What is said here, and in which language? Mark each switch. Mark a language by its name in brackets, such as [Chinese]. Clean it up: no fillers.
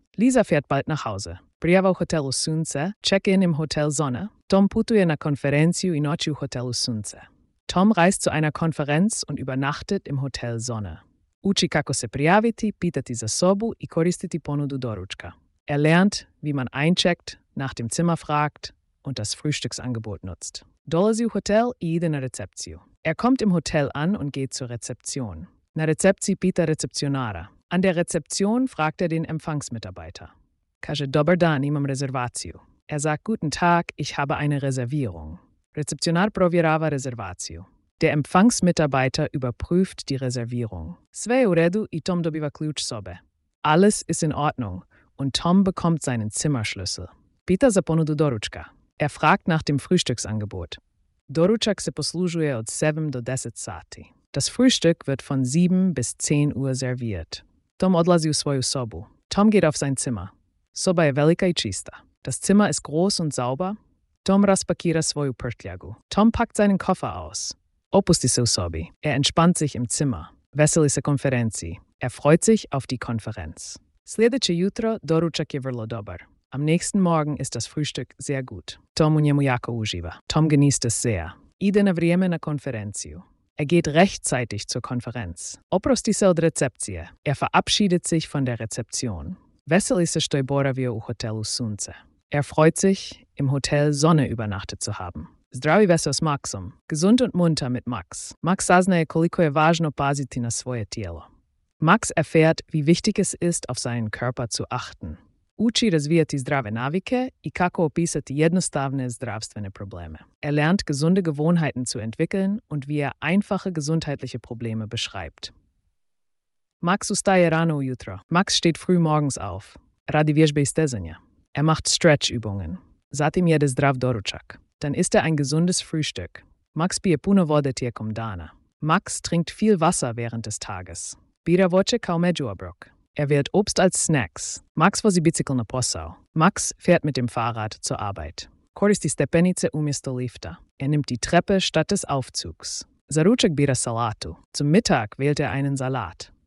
[German] Lisa fährt bald nach Hause. [Croatian] Prijava u hotelu Sunce. [German] Check-in im Hotel Sonne. [Croatian] Tom putuje na konferenciju i noći u hotelu Sunce. [German] Tom reist zu einer Konferenz und übernachtet im Hotel Sonne. [Croatian] Uči kako se prijaviti, pitati za sobu i koristiti ponudu doručka. [German] Er lernt, wie man eincheckt, nach dem Zimmer fragt und das Frühstücksangebot nutzt. [Croatian] Dolazi u hotel i ide na recepciju. [German] Er kommt im Hotel an und geht zur Rezeption. [Croatian] Na recepci pita recepcionara. [German] An der Rezeption fragt er den Empfangsmitarbeiter. [Croatian] Kaže dobar dan, imam rezervaciju. [German] Er sagt guten Tag, ich habe eine Reservierung. [Croatian] Rezepcionar provjerava rezervaciju. [German] Der Empfangsmitarbeiter überprüft die Reservierung. [Croatian] Sve je u redu i Tom dobiva ključ sobe. [German] Alles ist in Ordnung und Tom bekommt seinen Zimmerschlüssel. [Croatian] Pita za ponudu doručka. [German] Er fragt nach dem Frühstücksangebot. [Croatian] Doručak se poslužuje od 7 do 10 sati. [German] Das Frühstück wird von 7 bis 10 Uhr serviert. [Croatian] Tom odlazi u svoju sobu. [German] Tom geht auf sein Zimmer. [Croatian] Soba je velika i čista. [German] Das Zimmer ist groß und sauber. [Croatian] Tom raspakira svoju prtljagu. [German] Tom packt seinen Koffer aus. [Croatian] Opusti se u sobi. [German] Er entspannt sich im Zimmer. [Croatian] Veseli se konferenci. [German] Er freut sich auf die Konferenz. [Croatian] Sljedeće jutro doručak je vrlo dobar. [German] Am nächsten Morgen ist das Frühstück sehr gut. [Croatian] Tom u njemu jako uživa. [German] Tom genießt es sehr. [Croatian] Ide na vrijeme na konferenciju. [German] Er geht rechtzeitig zur Konferenz. [Croatian] Oprosti se od recepcije. [German] Er verabschiedet sich von der Rezeption. [Croatian] Veseli se što je boravio u hotelu Sunce. [German] Er freut sich, im Hotel Sonne übernachtet zu haben. [Croatian] Zdravi veso s Maxom. [German] Gesund und munter mit Max. [Croatian] Max saznaje koliko je važno paziti na svoje tijelo. [German] Max erfährt, wie wichtig es ist, auf seinen Körper zu achten. [Croatian] Uči razvijati zdrave navike i kako opisati jednostavne zdravstvene probleme. [German] Er lernt, gesunde Gewohnheiten zu entwickeln und wie er einfache gesundheitliche Probleme beschreibt. [Croatian] Max ustaje rano ujutro. [German] Max steht früh morgens auf. [Croatian] Radi vježbe i stezanja. [German] Er macht Stretch-Übungen. [Croatian] Zatim jede zdrav doručak. [German] Dann isst er ein gesundes Frühstück. [Croatian] Max pije puno vode tijekom dana. [German] Max trinkt viel Wasser während des Tages. [Croatian] Bira voće kao međuobrok. [German] Er wählt Obst als Snacks. [Croatian] Max vozi bicikl na posao. [German] Max fährt mit dem Fahrrad zur Arbeit. [Croatian] Koristi stepenice umjesto lifta. [German] Er nimmt die Treppe statt des Aufzugs. [Croatian] Za ručak bira salatu. [German] Zum Mittag wählt er einen Salat.